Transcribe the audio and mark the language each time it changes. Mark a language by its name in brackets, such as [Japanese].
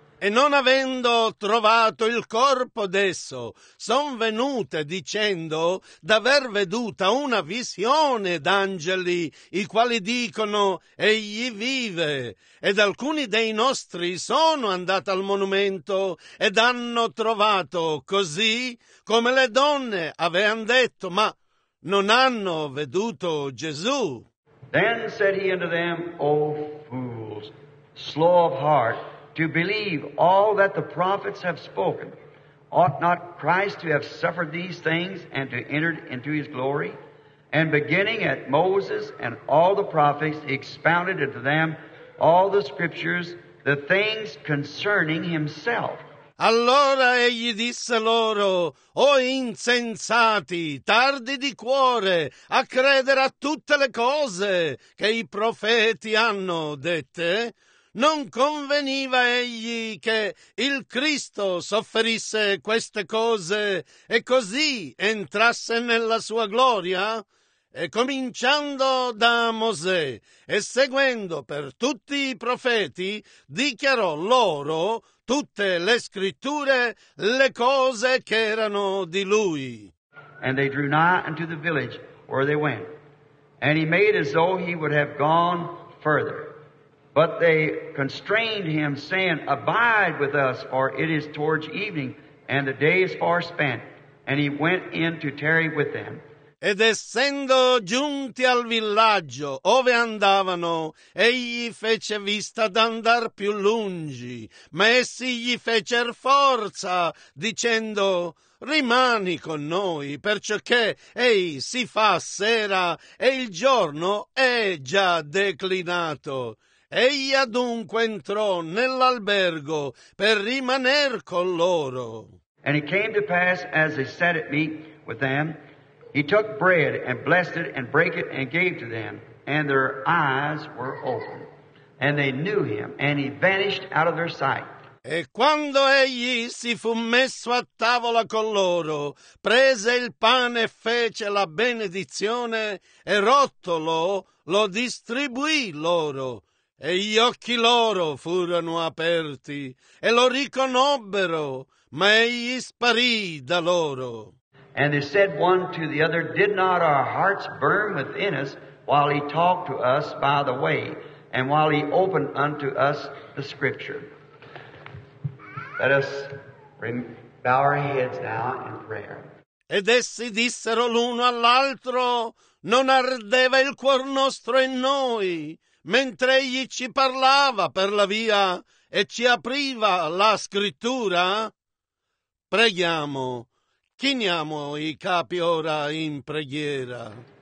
[Italian] E non avendo trovato il corpo d'esso, son venute dicendo d'aver veduta una visione d'angeli, i quali dicono, egli vive. Ed alcuni dei nostri sono andati al monumento ed hanno trovato così come le donne avevano detto, ma non hanno veduto Gesù. [English] Then said he unto them, O fools, slow of heart, to believe all that the prophets have spoken, ought not Christ to have suffered these things and to enter into his glory? And beginning at Moses and all the prophets, he expounded unto them all the scriptures, the things concerning himself. [Italian] Allora egli disse loro, o insensati, tardi di cuore, a credere a tutte le cose che i profeti hanno dette. Non conveniva egli che il Cristo sofferisse queste cose e così entrasse nella sua gloria? E cominciando da Mosè e seguendo per tutti i profeti, dichiarò loro tutte le scritture, le cose che erano di lui. [English] And they drew nigh unto the village where they went. And he made as though he would have gone further. But they constrained him, saying, Abide with us, for it is towards evening, and the day is far spent. And he went in to tarry with them. [Italian] Ed essendo giunti al villaggio ove andavano, egli fece vista d'andar più lungi, ma essi gli fecer forza, dicendo, Rimani con noi, perciò che ei si fa sera, e il giorno è già declinato. Egli adunque entrò nell'albergo per rimaner con loro. [English] And it came to pass, as they sat at meat with them, he took bread and blessed it and brake it and gave to them, and their eyes were open, and they knew him, and he vanished out of their sight. [Italian] E quando egli si fu messo a tavola con loro, prese il pane e fece la benedizione, e rottolo lo distribuì loro. E gli occhi loro furono aperti, e lo riconobbero, ma egli sparì da loro. [English] And they said one to the other, Did not our hearts burn within us while he talked to us by the way, and while he opened unto us the scripture? Let us bow our heads now in prayer. [Italian] Ed essi dissero l'uno all'altro, Non ardeva il cuor nostro in noi? Mentre egli ci parlava per la via e ci apriva la scrittura, preghiamo, chiniamo i capi ora in preghiera.